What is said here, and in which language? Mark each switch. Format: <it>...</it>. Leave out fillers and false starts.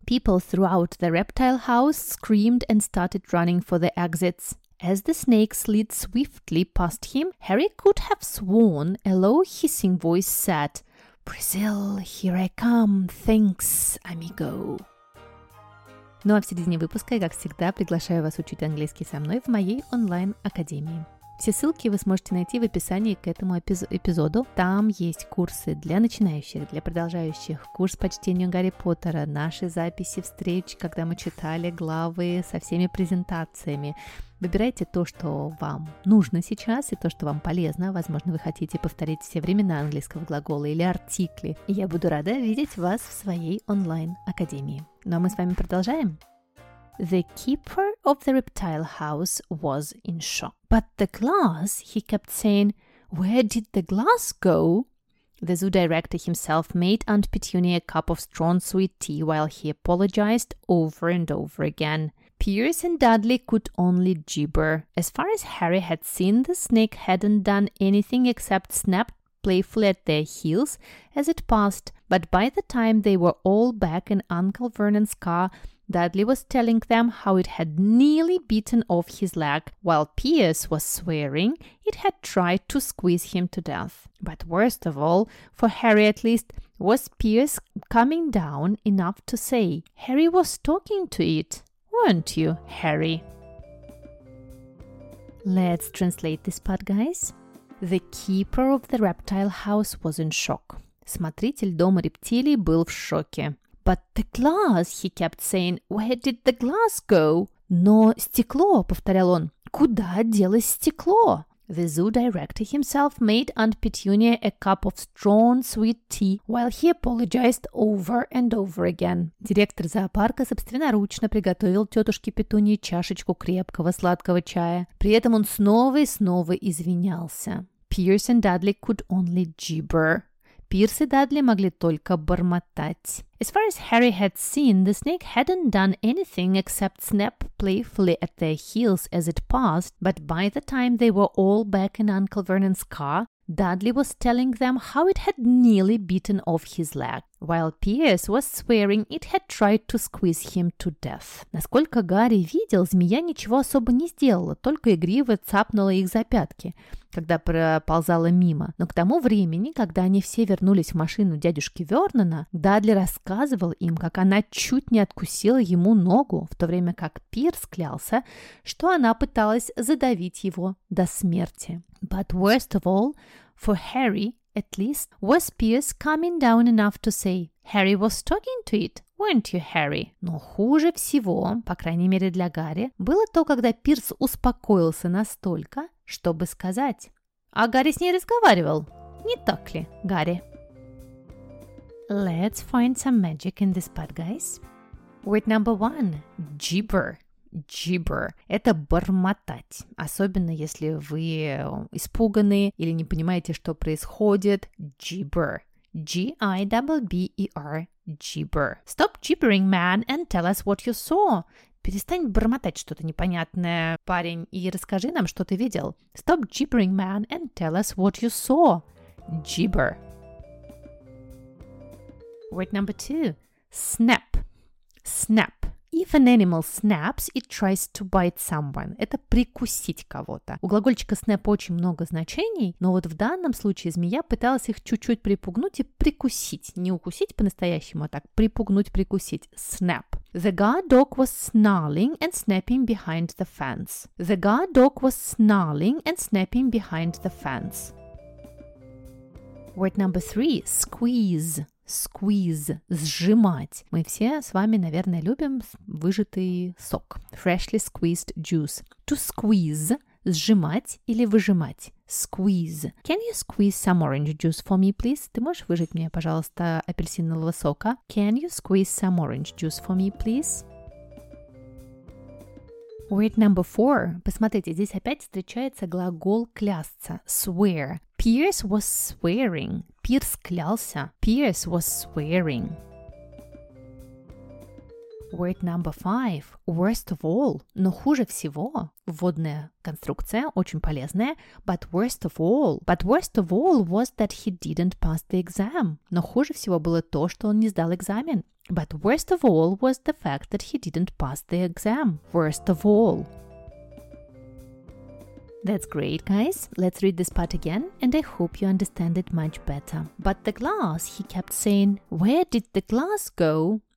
<en>People throughout the reptile house screamed and started running for the exits. As the snake slid swiftly past him, Harry could have sworn a low hissing voice said, "Brazil, here I come, thanks, amigo."</en> <ru>Ну а в середине выпуска я, как всегда, приглашаю вас учить английский со мной в моей онлайн-академии. Все ссылки вы сможете найти в описании к этому эпизоду. Там есть курсы для начинающих, для продолжающих, курс по чтению Гарри Поттера, наши записи встреч, когда мы читали главы со всеми презентациями. Выбирайте то, что вам нужно сейчас и то, что вам полезно. Возможно, вы хотите повторить все времена английского глагола или артикли. Я буду рада видеть вас в своей онлайн-академии. Ну а мы с вами продолжаем.</ru> <en>The keeper of the reptile house was in shock. "But the glass," he kept saying, "where did the glass go?" The zoo director himself made Aunt Petunia a cup of strong sweet tea while he apologized over and over again. Pierce and Dudley could only gibber. As far as Harry had seen, the snake hadn't done anything except snap playfully at their heels as it passed. But by the time they were all back in Uncle Vernon's car, Dudley was telling them how it had nearly bitten off his leg, while Pierce was swearing it had tried to squeeze him to death. But worst of all, for Harry at least, was Pierce coming down enough to say, "Harry was talking to it, weren't you, Harry?" Let's translate this part, guys. The keeper of the reptile house was in shock.</en> <ru>Смотритель дома рептилий был в шоке.</ru> <en>"But the glass," he kept saying, "where did the glass go?"</en> <ru>Но стекло, повторял он, куда делось стекло?</ru> <en>The zoo director himself made Aunt Petunia a cup of strong sweet tea while he apologized over and over again.</en> <ru>Директор зоопарка собственноручно приготовил тетушке Петунии чашечку крепкого сладкого чая. При этом он снова и снова извинялся.</ru> <en>Pierce and Dudley could only gibber.</en> <ru>Пирс и Дадли могли только бормотать.</ru> <en>As far as Harry had seen, the snake hadn't done anything except snap playfully at their heels as it passed, but by the time they were all back in Uncle Vernon's car, Dudley was telling them how it had nearly bitten off his leg, while Pierce was swearing it had tried to squeeze him to death.</en> <ru>Насколько Гарри видел, змея ничего особо не сделала, только игриво цапнула их за пятки, когда проползала мимо. Но к тому времени, когда они все вернулись в машину дядюшки Вернона, Дадли рассказывал им, как она чуть не откусила ему ногу, в то время как Пирс клялся, что она пыталась задавить его до смерти.</ru> <en>But worst of all, for Harry, at least, was Pierce coming down enough to say, "Harry was talking to it, weren't you, Harry?"</en> <ru>Но хуже всего, по крайней мере для Гарри, было то, когда Пирс успокоился настолько, чтобы сказать, "А Гарри с ней разговаривал, не так ли, Гарри?"</ru> <en>Let's find some magic in this part, guys. Word number one. Gibber.</en> <ru>Gibber – это бормотать, особенно если вы испуганы или не понимаете, что происходит.</ru> <en>Gibber. G-I-B-B-E-R. Gibber. Stop gibbering, man, and tell us what you saw.</en> <ru>Перестань бормотать что-то непонятное, парень, и расскажи нам, что ты видел.</ru> <en>Stop gibbering, man, and tell us what you saw. Gibber. Word number two. Snap. Snap. If an animal snaps, it tries to bite someone.</en> <ru>Это прикусить кого-то. У глагольчика snap очень много значений, но вот в данном случае змея пыталась их чуть-чуть припугнуть и прикусить. Не укусить по-настоящему, а так припугнуть, прикусить.</ru> <en>Snap. The guard dog was snarling and snapping behind the fence. The guard dog was snarling and snapping behind the fence. Word number three. Squeeze. Squeeze –</en> <ru>сжимать. Мы все с вами, наверное, любим выжатый сок.</ru> <en>Freshly squeezed juice. To squeeze –</en> <ru>сжимать или выжимать. Squeeze.</ru> <en>Can you squeeze some orange juice for me, please?</en> <ru>Ты можешь выжать мне, пожалуйста, апельсинового сока?</ru> <en>Can you squeeze some orange juice for me, please? Word number four.</en> <ru>Посмотрите, здесь опять встречается глагол клясться.</ru> <en>Swear. Pierce was swearing.</en> <ru>Пирс клялся.</ru> <en>Pierce was swearing. Word number five. Worst of all.</en> <ru>Но хуже всего. Вводная конструкция, очень полезная.</ru> <en>But worst of all. But worst of all was that he didn't pass the exam. Но хуже всего было то, что он не сдал экзамен. But worst of all was the fact that he didn't pass the exam. Worst of all. That's great, guys. Let's read this part again, and I hope you understand it much better. But the glass, he kept saying, where did the glass go?</en>